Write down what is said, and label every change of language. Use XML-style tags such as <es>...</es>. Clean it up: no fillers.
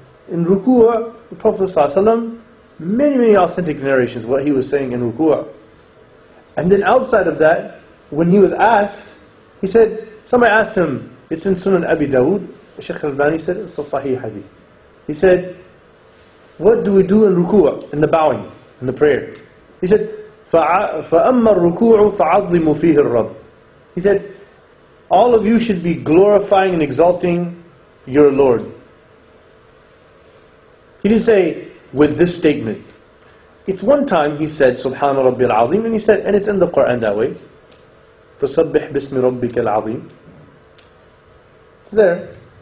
<en>In ruku'a, the Prophet ﷺ, many, many authentic narrations, what he was saying in ruku'a. And then outside of that, when he was asked, he said, somebody asked him, it's in Sunan Abi Dawood, Shaykh al-Bani said, it's a sahih hadith. He said, what do we do in ruku'a, in the bowing, in the prayer? He said,</en> <ar>فَأَمَّا الرُّكُوعُ فَعَظِّمُ فِيهِ الرَّبِّ.</ar> <en>He said, all of you should be glorifying and exalting your Lord. He didn't say, with this statement. It's one time he said,</en> <ar>سُبْحَانَ رَبِّي الْعَظِيمِ,</ar> <en>and he said, and it's in the Qur'an that way,</en> <ar>فَصَبِّحْ بِاسْمِ رَبِّكَ الْعَظِيمِ.</ar> <en>It's there.</en>